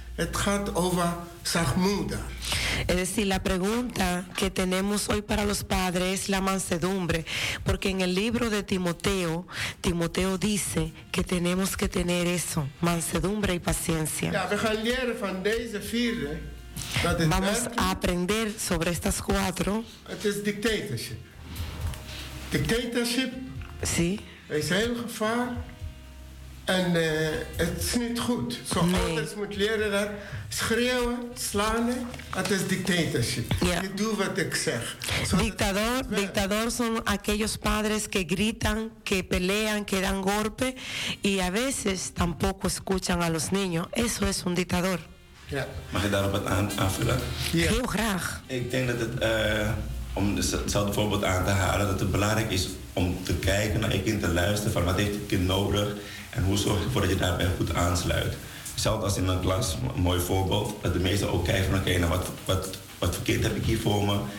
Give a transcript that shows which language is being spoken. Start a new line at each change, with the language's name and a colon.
Dutch: Het gaat over zachtmoeder.
Spanish: Es decir, la pregunta que tenemos hoy para los padres es la mansedumbre, porque en el libro de Timoteo, Timoteo dice que tenemos que tener eso, mansedumbre y paciencia.
Dutch: Ja, we gaan leren van deze vier, dat het
Spanish: vamos werken, a aprender sobre estas cuatro.
Dutch: Het is dictatorship.
Spanish: Sí.
Dutch: Es heel gevaar. En het is niet goed. Zo altijd moet leren dat schreeuwen, slaan, dat is dictatorship. Yeah. Je doet wat ik zeg.
Spanish: So dictador, dictador son aquellos padres que gritan, que pelean, que dan golpe y a veces tampoco escuchan a los niños. Eso es un dictador. Yeah.
Dutch: Mag ik daarop wat aanvullen? Yeah. Heel graag. Ik denk dat het, om hetzelfde voorbeeld aan te halen, dat het belangrijk is om te kijken naar je kind, te luisteren van wat heeft je kind nodig. En hoe zorg je ervoor dat je daarbij goed aansluit? Hetzelfde als in een klas, een mooi voorbeeld, dat de meesten ook kijken van oké, nou wat voor kind heb ik hier voor me?